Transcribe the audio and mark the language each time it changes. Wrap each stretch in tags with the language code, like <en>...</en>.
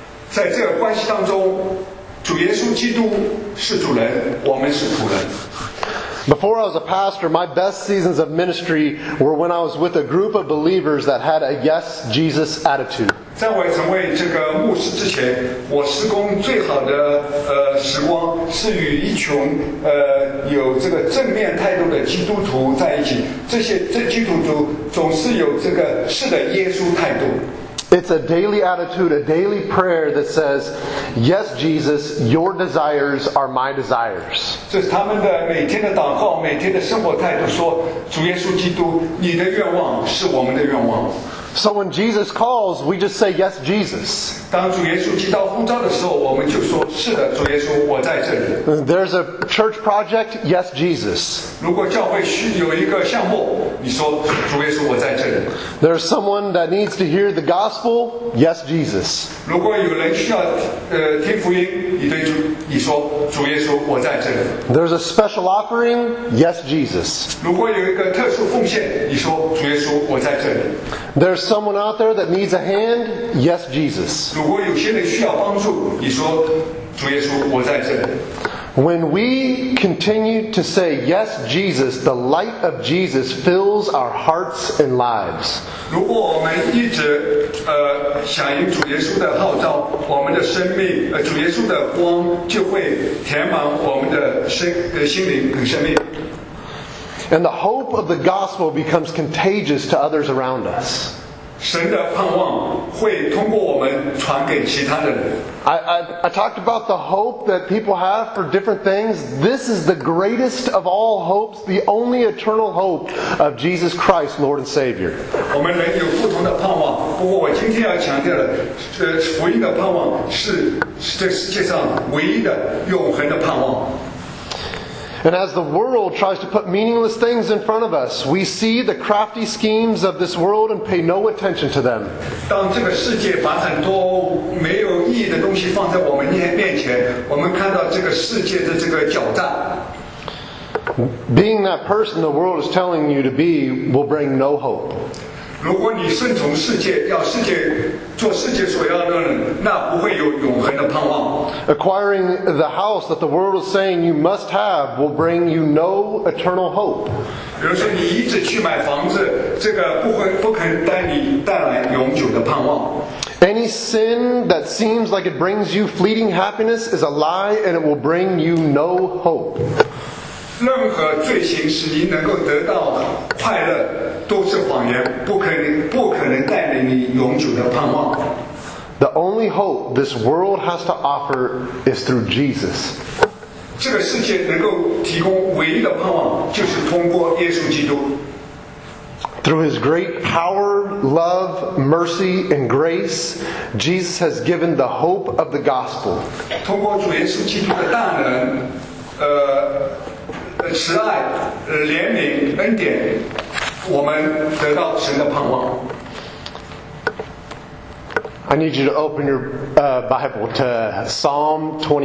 <zh>在这个关系当中，主耶稣基督是主人，我们是仆人。</zh> <en>Before I was a pastor, my best seasons of ministry were when I was with a group of believers that had a yes, Jesus attitude.</en> <zh>在我成为这个牧师之前，我施工最好的时光是与一群有这个正面态度的基督徒在一起。这基督徒总是有这个是的耶稣态度。</zh> <en>It's a daily attitude, a daily prayer that says, Yes, Jesus, your desires are my desires.</en> <zh>这是他们的每天的祷告，每天的生活态度，说主耶稣基督，你的愿望是我们的愿望。</zh> <en>So when Jesus calls, we just say, Yes, Jesus.</en> <zh>当主耶稣接到呼召的时候，我们就说，是的，主耶稣，我在这里。</zh> <en>There's a church project, Yes, Jesus.</en> <zh>如果教会需有一个项目，你说，主耶稣，我在这里。</zh> <en>There's someone that needs to hear the gospel, Yes, Jesus.</en> <zh>如果有人需要听福音，你说，主耶稣，我在这里。</zh> <en>There's a special offering, Yes, Jesus.</en> <zh>如果有一个特殊奉献，你说，主耶稣，我在这里。</zh> <en>There's someone out there that needs a hand, Yes, Jesus.</en> <zh>如果有些人需要帮助，你说，主耶稣，我在这里。</zh> <en>When we continue to say, Yes, Jesus, the light of Jesus fills our hearts and lives.</en> <zh>如果我们一直响应主耶稣的号召，我们的生命主耶稣的光就会填满我们的心灵和生命。</zh> <en>And the hope of the gospel becomes contagious to others around us.</en> <zh>神的盼望会通过我们传给其他的人。</zh> <en>I talked about the hope that people have for different things. This is the greatest of all hopes, the only eternal hope of Jesus Christ, Lord and Savior.</en> <zh>我们人有不同的盼望，不过我今天要强调的，福音的盼望是这世界上唯一的永恒的盼望。</zh> <en>And as the world tries to put meaningless things in front of us, we see the crafty schemes of this world and pay no attention to them.</en> <zh>当这个世界把很多没有意义的东西放在我们面前，我们看到这个世界的这个狡诈。</zh> <en>Being that person the world is telling you to be will bring no hope.</en> <zh>如果你顺从世界，要世界做世界所要的人，那不会有永恒的盼望。</zh> <en>Acquiring the house that the world is saying you must have will bring you no eternal hope.</en> <zh>比如说，你一直去买房子，这个不可能带你带来永久的盼望。</zh> <en>Any sin that seems like it brings you fleeting happiness is a lie, and it will bring you no hope.</en> <zh>任何罪行使你能够得到快乐都是谎言，不可能带给你永久的盼望。</zh> <en>The only hope this world has to offer is through Jesus.</en> <zh>这个世界能够提供唯一的盼望，就是通过耶稣基督。</zh> <en>Through his great power, love, mercy, and grace, Jesus has given the hope of the gospel.</en> <zh>通过主耶稣基督的大能，慈爱、怜悯、恩典，我们得到神的盼望。</zh> <en>I need you to open your Bible to Psalm 29.</en>